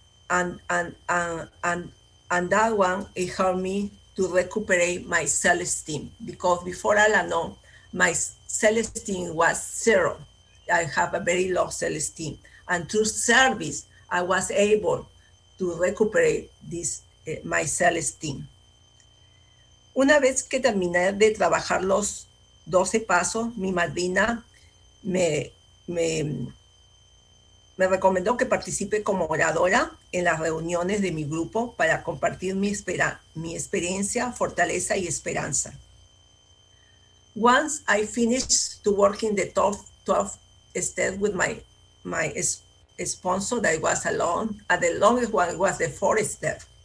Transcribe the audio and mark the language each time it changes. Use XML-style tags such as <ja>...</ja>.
<en>And that one, it helped me to recuperate my self-esteem, because before Alano, my self-esteem was zero. I have a very low self-esteem. And through service, I was able to recuperate this my self-esteem.</en> <es>Una vez que terminé de trabajar los 12 pasos, mi madrina me recomendó que participe como oradora en las reuniones de mi grupo para compartir mi experiencia, fortaleza y esperanza.</es> <en>Once I finished to work in the top 12 step with my sponsor that was alone, and the longest one was the four step.</en>